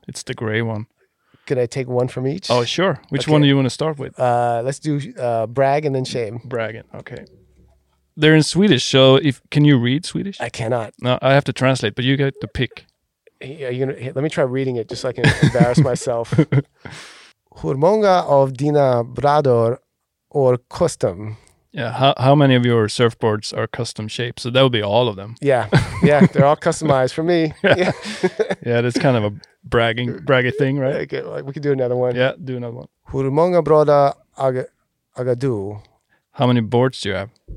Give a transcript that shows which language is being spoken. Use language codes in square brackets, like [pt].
[en] It's the gray one. Could I take one from each? Oh, sure. Which one do you want to start with? Let's do brag and then shame. Bragging, okay. They're in Swedish, so can you read Swedish? I cannot. No, I have to translate, but you get the pick. Let me try reading it just so I can embarrass myself. [sv] Hur många av dina brädor är custom? [en] Yeah, how many of your surfboards are custom shaped? So that would be all of them. Yeah, yeah, they're all customized for me. Yeah, yeah, that's kind of a braggy thing, right? Okay, like, we could do another one. Yeah, do another one. [sv] Hur många brädor aga du? [en] How many boards do you have?